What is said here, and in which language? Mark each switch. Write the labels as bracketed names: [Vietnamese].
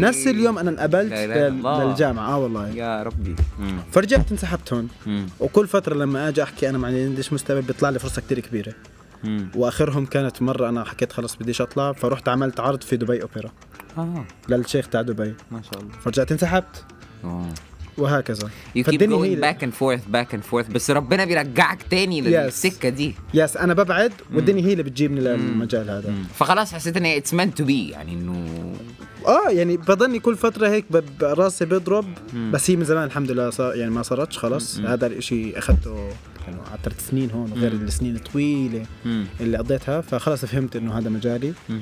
[Arabic] نفس اليوم انا انقبلت للجامعه. والله يا ربي. فرجعت انسحبت هون. وكل فتره لما اجي احكي انا ما عنديش مستقبل بيطلع لي فرصه كتير كبيره. واخرهم كانت مره انا حكيت خلص بديش اطلع، فروحت عملت عرض في دبي اوبرا للشيخ تاع دبي. ما شاء الله. فرجعت انسحبت. وهكذا. [English] You keep going back and forth. [Arabic] بس ربنا بيرجعك تاني للسكة دي. [English] yes. [Arabic] أنا ببعد والدنيا هي اللي بتجيبني للمجال هذا. فخلاص حسيت إن [English] it's meant to be [Arabic] يعني إنه. يعني بظني كل فترة هيك براسي بيضرب. بس هي من زمان الحمد لله يعني ما صارتش خلاص. هذا الإشي أخذته عطرت سنين هون غير السنين الطويلة اللي قضيتها، فخلاص فهمت إنه هذا مجالي.